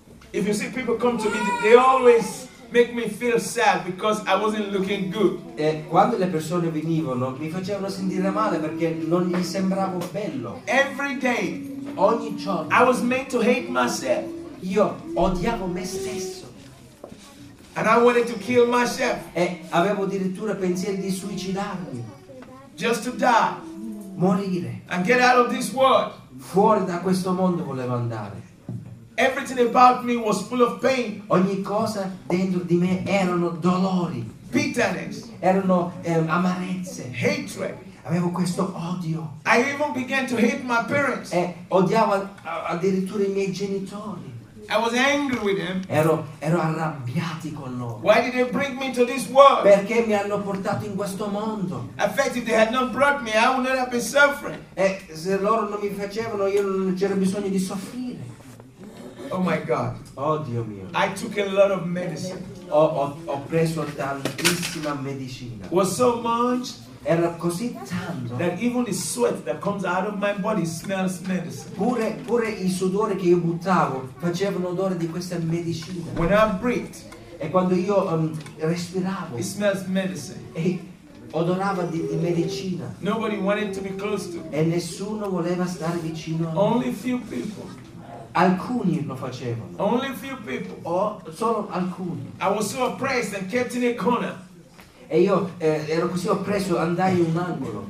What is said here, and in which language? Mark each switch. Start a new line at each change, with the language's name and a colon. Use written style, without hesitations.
English: If you see people come to me, they always make me feel sad because I wasn't looking good.
Italian: E quando le persone venivano, mi facevano sentire male perché non gli sembravo bello.
English: Every day,
Italian: ogni giorno,
English: I was made to hate myself.
Italian: Io odiavo me stesso.
English: And I wanted to kill myself.
Italian: E avevo addirittura pensieri di suicidarmi.
English: Just to die.
Italian: Morire.
English: And get out of this world.
Italian: Fuori da questo mondo volevo andare.
English: Everything about me was full of pain.
Italian: Ogni cosa dentro di me erano dolori.
English: Bitterness.
Italian: Erano amarezze.
English: Hatred.
Italian: Avevo questo odio.
English: I even began to hate my parents.
Italian: E odiavo addirittura i miei genitori.
English: I was angry with them.
Italian: Ero arrabbiati con loro.
English: Why did they bring me to this world?
Italian: Perché mi hanno portato in questo mondo?
English: In fact, if they had not brought me, I would not have been suffering.
Italian: E se loro non mi facevano, io non c'era bisogno di soffrire.
English: Oh my God.
Italian: Oh Dio mio.
English: I took a lot of medicine.
Italian: Ho preso tantissima medicina.
English: Was so much.
Italian: Era così tanto.
English: That even the sweat that comes out of my body smells medicine.
Italian: Pure il sudore che io buttavo faceva un odore di questa medicina.
English: When I breathed.
Italian: E quando io respiravo.
English: It smells medicine.
Italian: E odorava di medicina.
English: Nobody wanted to be close to.
Italian: E nessuno voleva stare vicino a me.
English: Only few people.
Italian: Alcuni lo facevano.
English: Only few people.
Italian: O solo alcuni.
English: I was so oppressed and kept in a corner.
Italian: E io ero così oppresso, andai in un angolo.